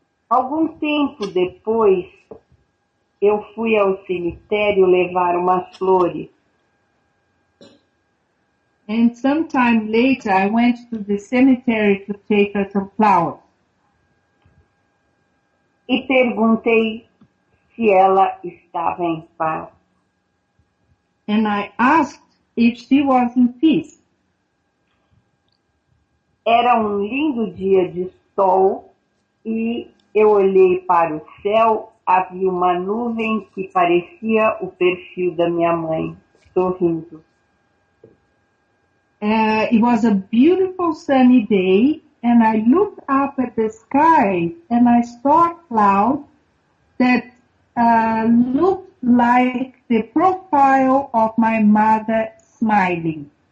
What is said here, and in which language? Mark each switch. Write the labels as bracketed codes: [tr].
[pt] Algum tempo depois, eu fui ao cemitério levar umas flores. [en] And sometime later, I went to the cemetery to take her some flowers. [pt] E perguntei se ela estava em paz. [en] And I asked if she was in peace. [pt] Era lindo dia de sol e eu olhei para o céu, havia uma nuvem que parecia o perfil da minha mãe, sorrindo. [en] It was a beautiful sunny day and I looked up at the sky and I saw a cloud that looked like the profile of my mother, smiling.